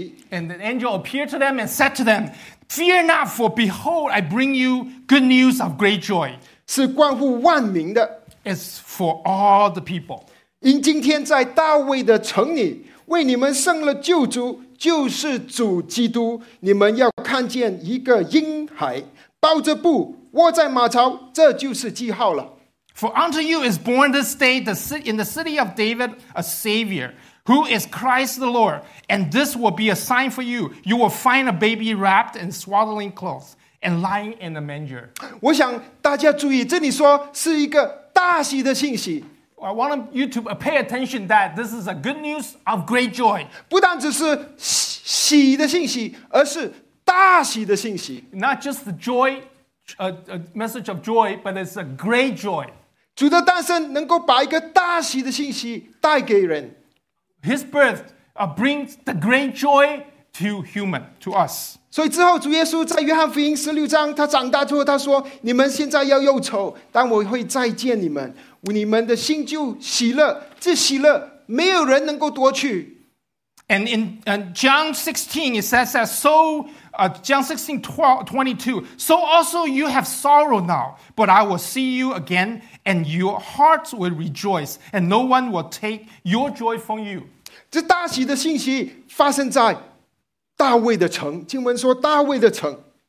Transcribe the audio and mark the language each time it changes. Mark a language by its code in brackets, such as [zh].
[en] And the angel appeared to them and said to them, Fear not, for behold, I bring you good news of great joy. [zh] 是关乎万民的。 [en] It's for all the people. [zh] 因今天在大卫的城里，为你们生了救主，就是主基督。你们要看见一个婴孩，包着布，卧在马槽，这就是记号了。 [en] For unto you is born this day in the city of David a Savior. Who is Christ the Lord? And this will be a sign for you. You will find a baby wrapped in swaddling clothes and lying in a manger. [zh] 我想大家注意，这里说是一个大喜的信息。 [en] I want you to pay attention that this is a good news of great joy. [zh] 不但只是喜的信息，而是大喜的信息。 [en] Not just the joy, a message of joy, but it's a great joy. [zh] 主的诞生能够把一个大喜的信息带给人。 [en] His birth brings the great joy to human, to us. [zh] 所以之后主耶稣在约翰福音十六章他长大之后他说你们现在要忧愁但我会再见你们你们的心就喜乐这喜乐没有人能够夺去。 [en] And in John 16, it says that so, John 16, 22, so also you have sorrow now, but I will see you again, and your hearts will rejoice, and no one will take your joy from you. [zh] 这大喜的信息发生在大卫的城，经文说大卫的城。